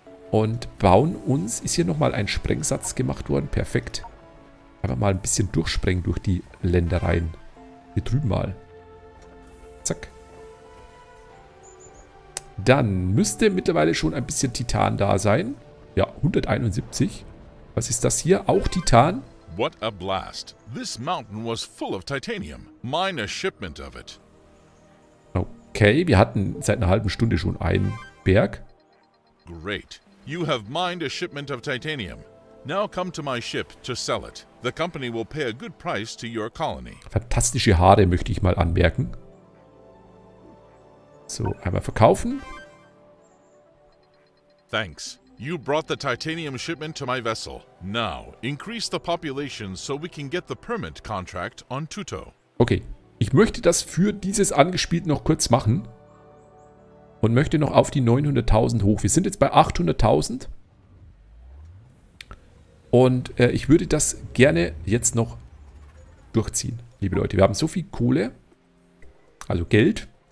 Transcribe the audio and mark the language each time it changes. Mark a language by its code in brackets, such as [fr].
[de] Und bauen uns, ist hier nochmal ein Sprengsatz gemacht worden, perfekt. Einfach mal ein bisschen durchsprengen durch die Ländereien. Hier drüben mal. Zack. Dann müsste mittlerweile schon ein bisschen Titan da sein. Ja, 171. Was ist das hier? Auch Titan? [en] What a blast. This mountain was full of titanium. Mine a shipment of it. [de] Okay, wir hatten seit einer halben Stunde schon einen Berg. [en] Great. You have mined a shipment of titanium. Now come to my ship to sell it. The company will pay a good price to your colony. [de] Fantastische Haare möchte ich mal anmerken. So, einmal verkaufen. [en] Thanks. You brought the titanium shipment to my vessel. Now, increase the population so we can get the permit contract on Tuto. [de] Okay, ich möchte das für dieses Angespielt noch kurz machen. Und möchte noch auf die 900.000 hoch. Wir sind jetzt bei 800.000. Und ich würde das gerne jetzt noch durchziehen, liebe Leute. Wir haben so viel Kohle, also Geld.